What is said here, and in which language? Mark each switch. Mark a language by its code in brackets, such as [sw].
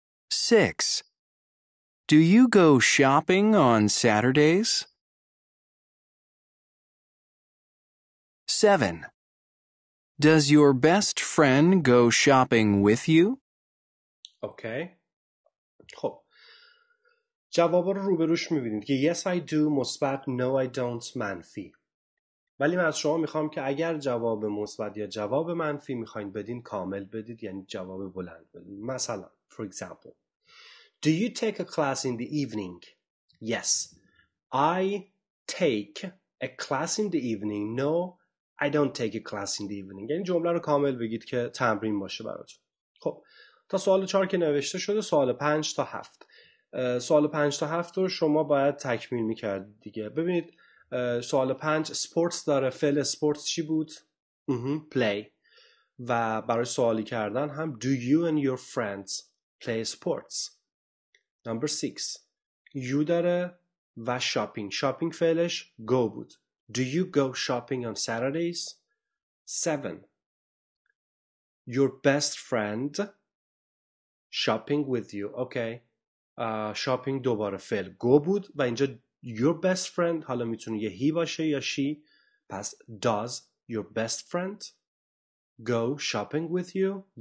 [en] 6. Do you go shopping on Saturdays? 7. Does your best friend go shopping with you? Okay. خب. [fa] جواب رو روبروش می‌بینید که [en] yes I do [fa] مثبت، [en] no I don't [fa] منفی. ولی من از شما می‌خوام که اگر جواب مثبت یا جواب منفی می‌خواید بدین کامل بدید، یعنی جواب بلند بدید. مثلا [en] for example. Do you take a class in the evening? Yes. I take a class in the evening. No. I don't take a class in the evening. [fa] یعنی جمله رو کامل بگید که تمرین باشه براتون. خب تا سوال 4 که نوشته شده، سوال 5 تا 7. سوال 5 تا 7 رو شما باید تکمیل می‌کردید دیگه. ببینید سوال 5 sports داره، فعل sports چی بود؟ Play. و برای سوالی کردن هم [en] do you and your friends play sports. Number 6. You [fa] داره و shopping. [en] Shopping [fa] فعلش go بود. [en] Do you go shopping on Saturdays? 7. Your best friend shopping with you. Okay. [fa] شاپینگ دوباره فعل گو بود و اینجا [en] your best friend [fa] حالا میتونه یه هی باشه یا شی. [en] پس does your best friend go shopping with you?